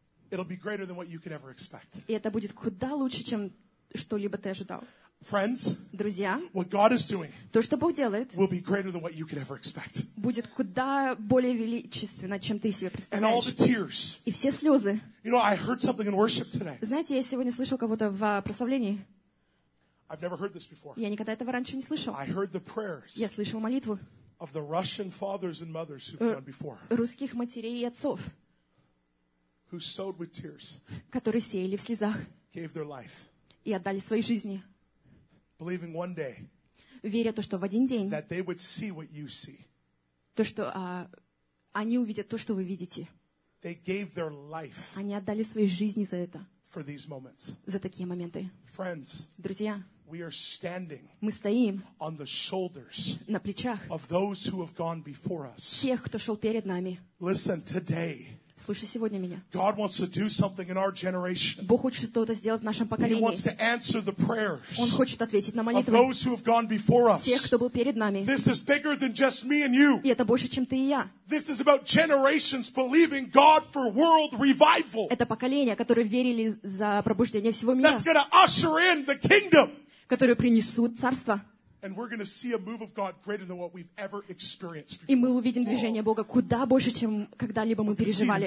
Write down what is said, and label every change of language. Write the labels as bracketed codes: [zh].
[en] it'll be greater than what you could ever expect. [ru] И это будет куда лучше, чем что-либо ты ожидал. [en] Friends, [ru] друзья, [en] what God is doing, [ru] то, что Бог делает, [en] will be greater than what you could ever expect. [ru] Будет куда более величественно, чем ты себе представляешь. [en] And all the tears. [ru] И все слезы. [en] You know, I heard something in worship today. [ru] Знаете, я сегодня слышал кого-то в прославлении. [en] I've never heard this before. [ru] Я никогда этого раньше не слышал. [en] I heard the prayers. [ru] Я слышал молитву. [en] Of the Russian fathers and mothers who've gone before. [ru] Русских матерей и отцов. [en] Who sowed with tears. [ru] Которые сеяли в слезах. [en] Gave their life. [ru] И отдали свои жизни. [en] Believing one day, [ru] веря то, что в один день, [en] that they would see what you see, [ru] то что они увидят то, что вы видите. [en] They gave their life, [ru] они отдали свои жизни за это, [en] for these moments, [ru] за такие моменты. [en] Friends, [ru] друзья, [en] we are standing, [ru] мы стоим, [en] on the shoulders, [ru] на плечах, [en] of those who have gone before us, [ru] тех, кто шел перед нами. [en] Listen today. [ru] Слушай сегодня меня. [en] God wants to do something in our generation. [ru] Бог хочет что-то сделать в нашем поколении. [en] He wants to answer the prayers. [ru] Он хочет ответить на молитвы. [en] Of those who have gone before us. [ru] Тех, кто был перед нами. [en] This is bigger than just me and you. [ru] И это больше, чем ты и я. [en] This is about generations believing God for world revival. [ru] Это поколения, которые верили за пробуждение всего мира. [en] That's going to usher in the kingdom. [ru] Которые принесут царство. [en] And we're going to see a move of God greater than what we've ever experienced before. [ru] И мы увидим движение Бога куда больше, чем когда-либо мы переживали.